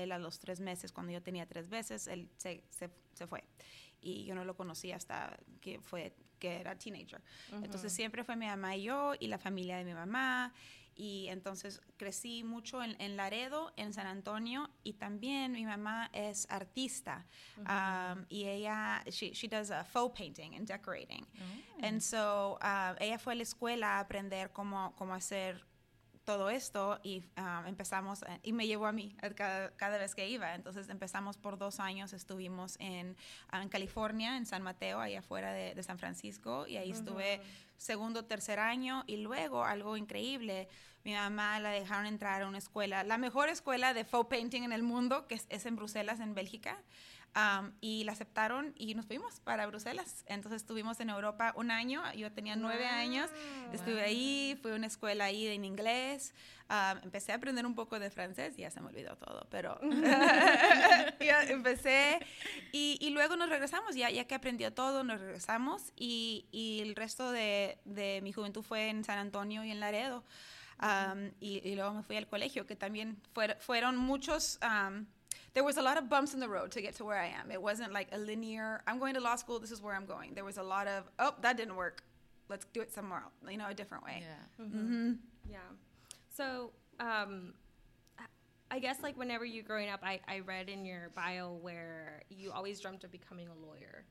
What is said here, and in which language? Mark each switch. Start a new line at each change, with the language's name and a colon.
Spanish: Él a los 3 meses, cuando yo tenía 3 meses, él se fue. Y yo no lo conocí hasta que era teenager. Uh-huh. Entonces siempre fue mi mamá y yo y la familia de mi mamá. Y entonces crecí mucho en Laredo, en San Antonio, y también mi mamá es artista. Mm-hmm. Y ella,
English: she does faux painting and decorating.
Spanish: Mm-hmm.
English: And so
Spanish: ella fue a la escuela a aprender cómo hacer todo esto, y empezamos, y me llevó a mí cada vez que iba. Entonces empezamos por 2 años, estuvimos en California, en San Mateo, ahí afuera de San Francisco, y ahí estuve segundo, tercer año, y luego, algo increíble, mi mamá la dejaron entrar a una escuela, la mejor escuela de faux painting en el mundo, que es en Bruselas, en Bélgica, y la aceptaron, y nos fuimos para Bruselas. Entonces estuvimos en Europa 1 año, yo tenía 9 años, estuve ahí, fui a una escuela ahí en inglés, empecé a aprender un poco de francés, ya se me olvidó todo, pero ya empecé, y luego nos regresamos, ya que aprendió todo, nos regresamos, y el resto de mi juventud fue en San Antonio y en Laredo, y luego me fui al colegio, que también fueron muchos...
English: there was a lot of bumps in the road to get to where I am. It wasn't like a linear, I'm going to law school, this is where I'm going. There was a lot of, oh, that didn't work. Let's do it somewhere else, you know, a different way. Yeah. Mm-hmm. Yeah. So I guess like whenever you're growing up, I read in your bio where you always dreamt of becoming a lawyer.